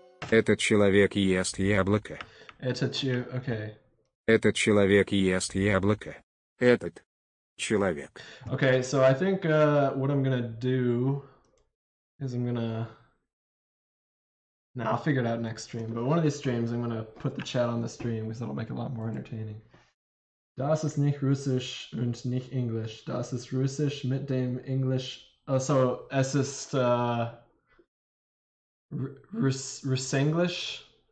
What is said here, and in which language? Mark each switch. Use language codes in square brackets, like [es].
[ru] Этот человек ест яблоко. Этот человек, okay. Этот человек ест яблоко. Этот. Человек. [en] Okay, so I think what I'm gonna do is I'm gonna. Nah, I'll figure it out next stream, but one of these streams I'm gonna put the chat on the stream because that'll make it a lot more entertaining. [de] Das ist nicht Russisch und nicht Englisch. Das ist Russisch mit dem Englisch. Oh, so es ist Russenglisch?